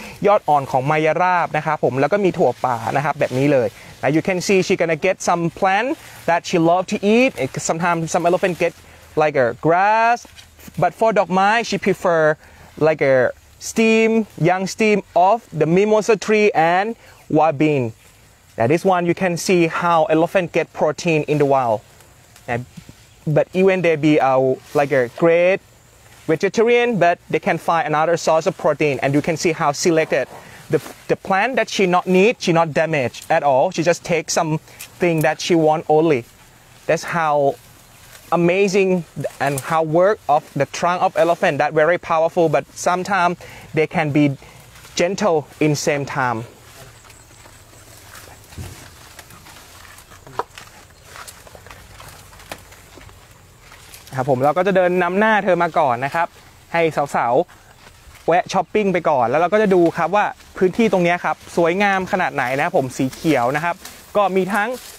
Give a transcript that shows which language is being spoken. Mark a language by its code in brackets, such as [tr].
[th] ยอดอ่อนของไมยราบนะครับผมแล้วก็มีถั่วป่านะครับแบบนี้เลย [en] Now you can see she gonna get some plant that she love to eat sometimes some elephant get like a grass but for dog mai she prefer like aSteam, young steam of the mimosa tree and wild bean. Now this one you can see how elephant get protein in the wild. And, but even they be like a great vegetarian, but they can find another source of protein. And you can see how selected the plant that she not need, she not damage at all. She just take something that she want only. That's how amazing and how work of the trunk of elephant that very powerful but sometimes they can be gentle in same time [th] ครับผมเราก็จะเดินนำหน้าเธอมาก่อนนะครับให้สาวๆแวะช้อปปิ้งไปก่อนแล้วเราก็จะดูครับว่าพื้นที่ตรงนี้ครับสวยงามขนาดไหนนะผมสีเขียวนะครับก็มีทั้ง